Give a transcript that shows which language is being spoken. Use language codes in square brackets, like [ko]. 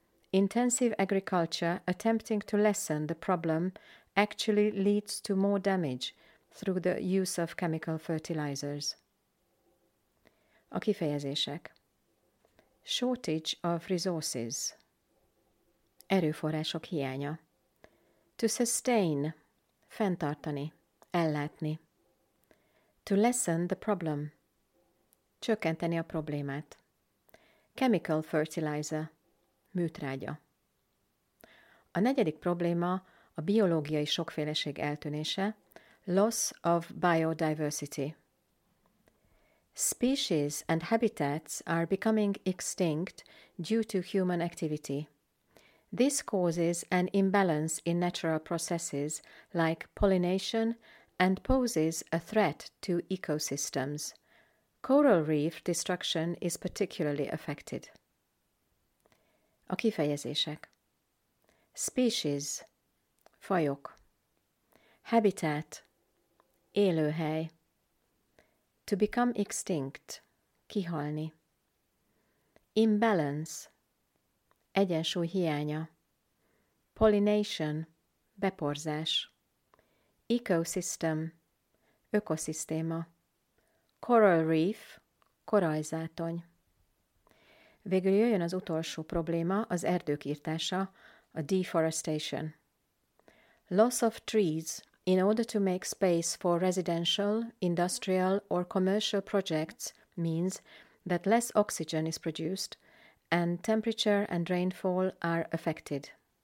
[en] Intensive agriculture attempting to lessen the problem actually leads to more damage through the use of chemical fertilizers. [hu] A kifejezések. [en] Shortage of resources. [hu] Erőforrások hiánya. [en] To sustain, [hu] fenntartani, ellátni. [en] To lessen the problem, [hu] csökkenteni a problémát. [en] Chemical fertilizer, műtrágya. [hu] A negyedik probléma a biológiai sokféleség eltűnése, [en] loss of biodiversity. Species and habitats are becoming extinct due to human activity. This causes an imbalance in natural processes like pollination and poses a threat to ecosystems. Coral reef destruction is particularly affected. [hu] A kifejezések. Species, fajok. [en] Habitat, élőhely. To become extinct, kihalni. [hu] Imbalance, egyensúly hiánya. [en] Pollination, beporzás. Ecosystem, ökoszisztéma. Coral reef, [hu] korallzátony. Végül jöjjön az utolsó probléma, az erdők írtása, a deforestation. [en] Loss of trees in order to make space for residential, industrial or commercial projects means that less oxygen is produced and temperature and rainfall are affected.